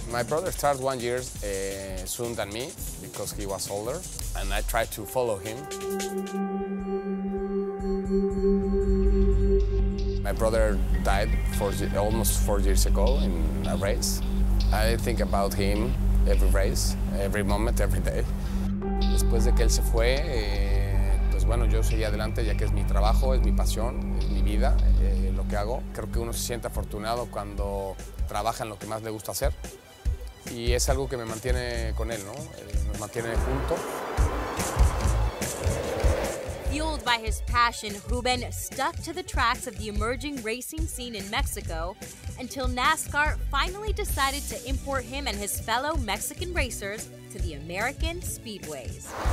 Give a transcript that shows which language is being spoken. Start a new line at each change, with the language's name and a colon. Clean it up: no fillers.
English: My brother started 1 year sooner than me because he was older, and I tried to follow him. My brother died almost four years ago in a race. I think about him every race, every moment, every day.
Spanish: Después de que él se fue, pues bueno, yo seguí adelante ya que es mi trabajo, es mi pasión, es mi vida, lo que hago. Creo que uno se siente afortunado cuando trabaja en lo que más le gusta hacer. Y es algo que me mantiene con él, ¿no? Nos mantiene juntos.
English: Fueled by his passion, Ruben stuck to the tracks of the emerging racing scene in Mexico until NASCAR finally decided to import him and his fellow Mexican racers to the American speedways.